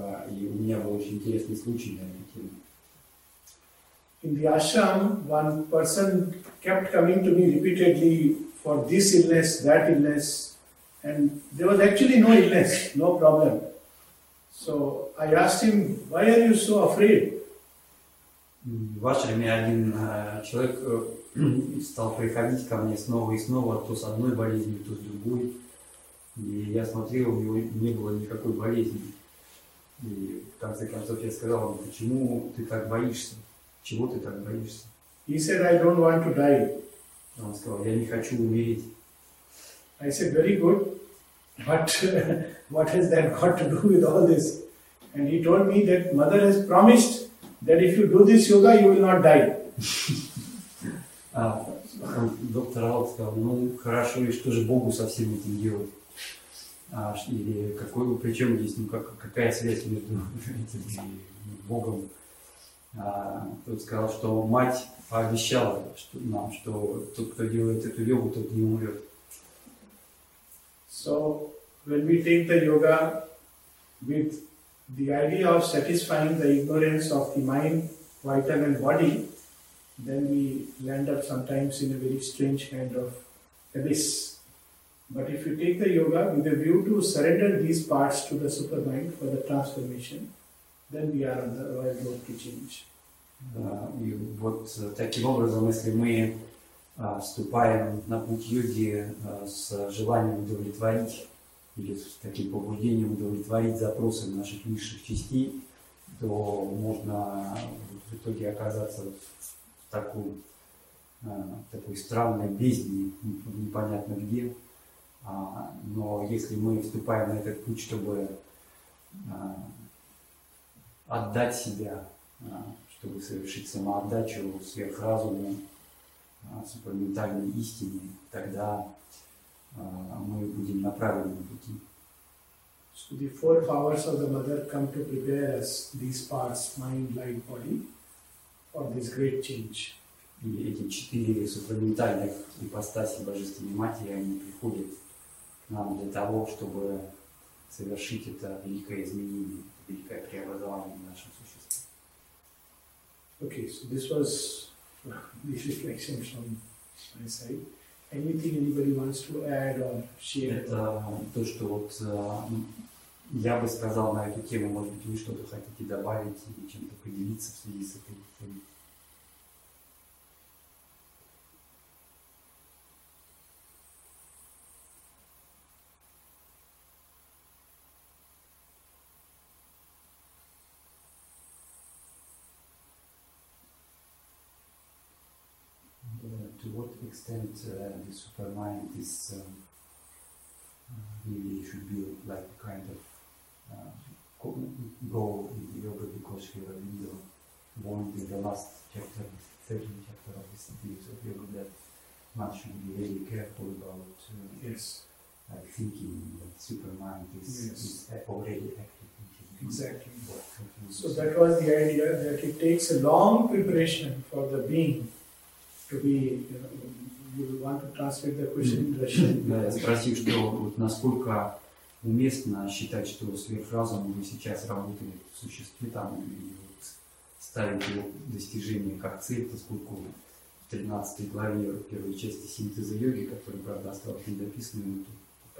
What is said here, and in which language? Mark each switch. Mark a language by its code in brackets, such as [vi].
[ru] И у меня был очень интересный случай на эту тему. [en] In the ashram, one person kept coming to me repeatedly for this illness, that illness, and there was actually no illness, no problem. So I asked him, why are you so afraid? [ru] В ашраме один человек стал приходить ко мне снова и снова, то с одной болезнью, то с другой. И я смотрел, у него не было никакой болезни. И в конце концов я сказал ему, почему ты так боишься? Чего ты так боишься? [en] He said, I don't want to die. [ru] Он сказал, я не хочу умереть. [en] I said, very good, but what has that got to do with all this? And he told me that mother has promised that if you do this yoga, you will not die. [ru] Доктор Алт сказал, ну хорошо, и что же Богу со всем этим делать? Или какой, причем здесь, ну как, какая связь между этим и Богом? Тот сказал, что мать пообещала нам, что тот, кто делает эту йогу, тот не умрет. [en] So, when we take the yoga with the idea of satisfying the ignorance of the mind, vital and body, then we land up sometimes in a very strange kind of abyss. But if you take the yoga with a view to surrender these parts to the supermind for the transformation, then we are on the royal road to change. [ru] И вот таким образом, если мы вступаем на путь йоги с желанием удовлетворить или с таким побуждением удовлетворить запросы наших низших частей, то можно в итоге оказаться в такой странной бездне, непонятно где. Но если мы вступаем на этот путь, чтобы отдать себя, чтобы совершить самоотдачу сверхразуму, суперментальной истине, тогда мы будем на правильном пути. [en] So the four powers of the mother come to prepare us, these parts, mind, light, body, for this great change. [ru] И эти четыре суперментальных ипостаси Божественной Матери, они приходят к нам для того, чтобы совершить это великое изменение, это великое преобразование в нашем существе. [en] Okay, so this was the reflection from my side. Anything anybody wants to add or share? [ru] Это то, что вот я бы сказал на эту тему, может быть, вы что-то хотите добавить или чем-то поделиться в связи с этой темой. [en] To what extent the supermind is really should be like a kind of goal in the yoga, because we have been warned in the last chapter, 13th chapter of the Studies of Yoga, that one should be very careful about thinking that supermind is already active. Exactly. So that was the idea, that it takes a long preparation for the being. [ru] Спросил, что вот насколько уместно считать, что сверхразум уже сейчас работает в существе там и вот ставить его достижение как цель, поскольку в 13 главе первой части синтеза йоги, которая, правда, осталась недописанной, тут